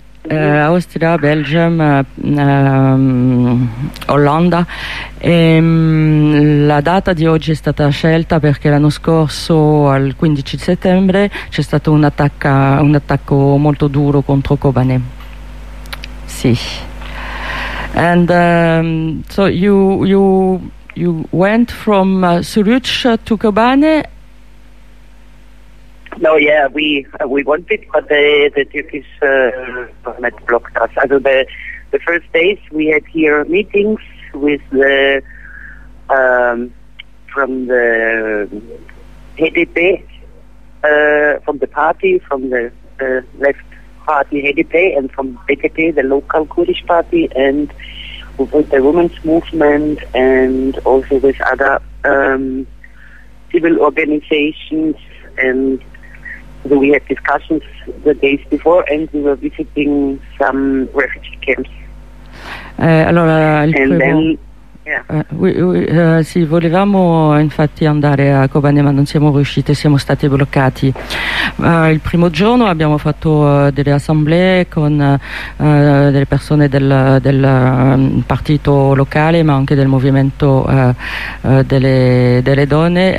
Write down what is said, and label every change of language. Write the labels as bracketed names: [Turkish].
[Italian] Austria, Belgium, Olanda. La data di oggi è stata scelta perché l'anno scorso, al 15 settembre, c'è stato un attacco molto duro contro Kobane. Sì. [English] And so you went from Suruç to Kobane. No, yeah, we wanted, but the Turkish government blocked us. So the first days we had here meetings with the from the HDP, from the party, from the left party HDP, and from BDP, the local Kurdish party, and with the women's movement, and also with other civil organizations, and so we had discussions the days before, and we were visiting some refugee camps. [Italian] Allora, [English] and then [Italian] Sì, volevamo infatti andare a Kobane, ma non siamo riusciti, siamo stati bloccati. Il primo giorno abbiamo fatto delle assemblee con delle persone del partito locale, ma anche del movimento delle donne.